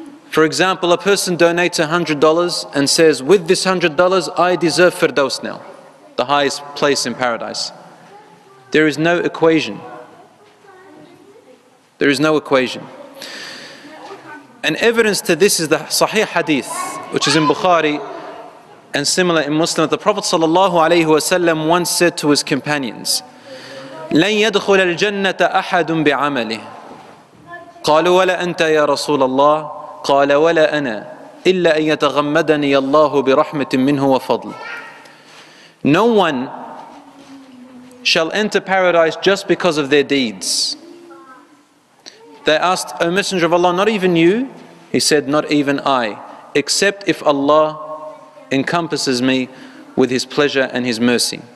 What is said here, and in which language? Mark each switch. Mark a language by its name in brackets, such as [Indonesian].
[English] For example, a person donates $100 and says, with this $100, I deserve Firdaus now, the highest place in paradise. There is no equation. There is no equation. And evidence to this is the Sahih Hadith, which is in Bukhari and similar in Muslim. The Prophet sallallahu alayhi wa sallam once said to his companions, [Arabic] لَنْ يَدْخُلَ الْجَنَّةَ أَحَدٌ بِعَمَلِهِ قَالُوا وَلَا أَنْتَ يَا رَسُولَ اللَّهِ قَالَ وَلَا أَنَا إِلَّا أَنْ يَتَغَمَّدَنِي اللَّهُ بِرَحْمَةٍ مِّنْهُ وَفَضْلٍ. [English] No one shall enter paradise just because of their deeds. They asked, O Messenger of Allah, not even you? He said, not even I, except if Allah encompasses me with His pleasure and His mercy.